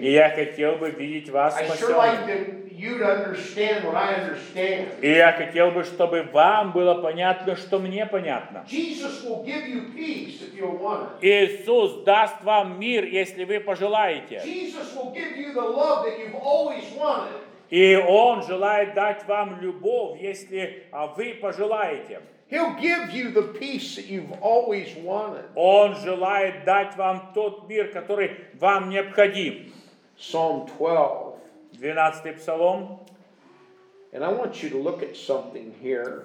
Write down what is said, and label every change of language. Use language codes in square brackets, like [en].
[ru] И я хотел бы видеть вас спасенным. [en] I sure like you to understand what I understand. [ru] И я хотел бы, чтобы вам было понятно, что мне понятно. [en] Jesus will give you peace if you'll want it. [ru] Иисус даст вам мир, если вы пожелаете. [en] Jesus will give you the love that you've always wanted. [ru] И Он желает дать вам любовь, если вы пожелаете. [en] He'll give you the peace that you've always wanted. [ru] Он желает дать вам тот мир, который вам необходим. [en] Psalm 12. [ru] 12-й псалом. [en] And I want you to look at something here.